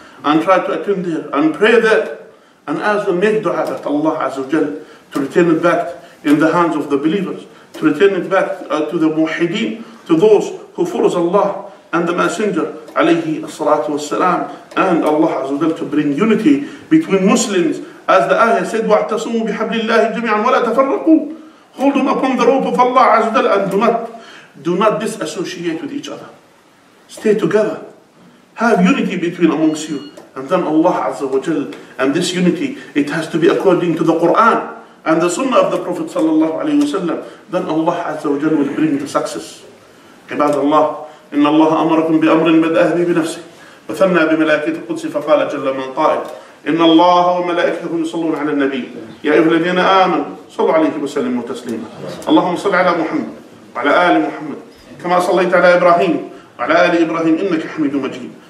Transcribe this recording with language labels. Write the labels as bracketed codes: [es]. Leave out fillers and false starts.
[en] And try to attend there and pray there. And as we make dua that Allah Azza wa Jal to return it back in the hands of the believers, to return it back to the muwahideen, to those who follows Allah and the Messenger alayhi as-salatu was-salam, and Allah Azza wa Jal to bring unity between Muslims. As the ayah said, [ar] وَاعْتَصِمُوا بِحَبْلِ اللَّهِ جَمِيعًا وَلَا تَفَرَّقُوا. [en] Hold them upon the rope of Allah Azza wa Jal, and do not disassociate with each other. Stay together. Have unity between amongst you. And then Allah Azza wa Jal, and this unity, it has to be according to the Quran and the Sunnah of the Prophet sallallahu alayhi wa sallam. Then Allah Azza wa Jal will bring the success. [ar] عباد الله إن الله أمركم بأمر بدأه بنفسه وثنى بملائكة القدس فقال جل من قائل إن الله وملائكته يصلون على النبي يا أيها الذين آمنوا صلوا عليه وسلموا تسليما. اللهم صل على محمد وعلى آل محمد كما صليت على إبراهيم وعلى آل إبراهيم إنك حميد مجيد.